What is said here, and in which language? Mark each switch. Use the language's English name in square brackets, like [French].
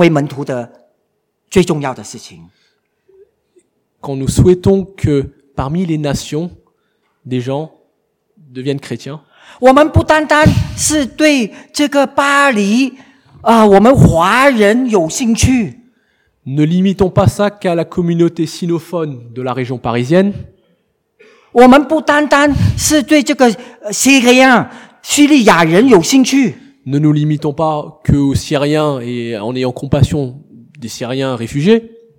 [Chinese] 这就是我们基督徒就是要去使万民成为门徒的最重要的事情。 [French] Quand nous souhaitons que parmi les nations des gens deviennent chrétiens, [Chinese] 我们不单单是对这个巴黎，我们华人有兴趣。 [French] Ne limitons pas ça qu'à la communauté sinophone de la région parisienne. [Chinese] 我们不单单是对这个叙利亚人有兴趣。 [French] Ne nous limitons pas qu'aux Syriens et en ayant compassion des Syriens réfugiés.